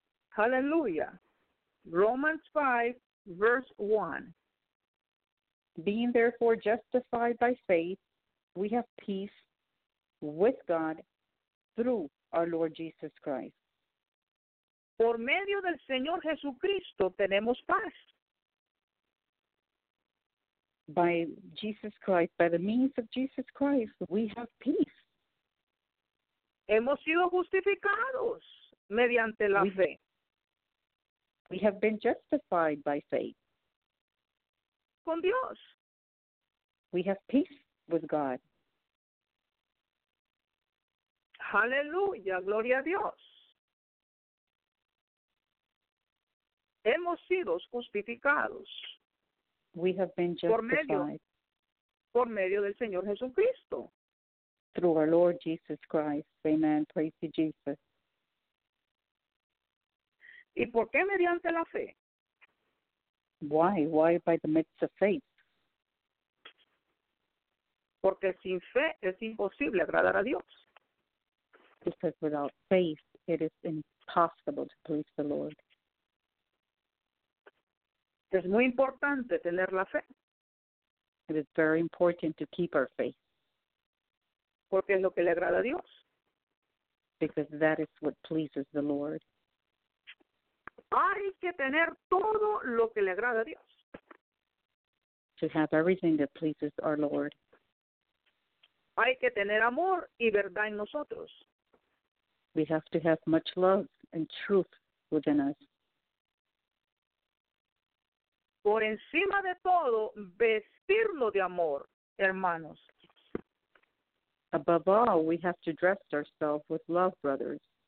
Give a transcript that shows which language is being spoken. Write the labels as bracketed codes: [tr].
[en] Hallelujah. Romans 5, verse 1. Being therefore justified by faith, we have peace with God through our Lord Jesus Christ. [es] Por medio del Señor Jesucristo tenemos paz. [en] By Jesus Christ, by the means of Jesus Christ, we have peace. [es] Hemos sido justificados mediante la fe. [en] We have been justified by faith. [es] Con Dios. [en] We have peace with God. [es] Hallelujah, gloria a Dios. Hemos sido justificados. [en] We have been justified. [es] Por medio del Señor Jesucristo. [en] Through our Lord Jesus Christ. Amen. Praise you, Jesus. [es] ¿Y por qué mediante la fe? [en] Why? Why by the midst of faith? [es] Porque sin fe es imposible agradar a Dios. [en] because without faith, it is impossible to please the Lord. [es] Es muy importante tener la fe. [en] It is very important to keep our faith. [es] Porque es lo que le agrada a Dios. [en] Because that is what pleases the Lord. [es] Hay que tener todo lo que le agrada a Dios. [en] To have everything that pleases our Lord. [es] Hay que tener amor y verdad en nosotros. [en] We have to have much love and truth within us. [es] Por encima de todo, vestirlo de amor, hermanos. [en] Above all, we have to dress ourselves with love, brothers.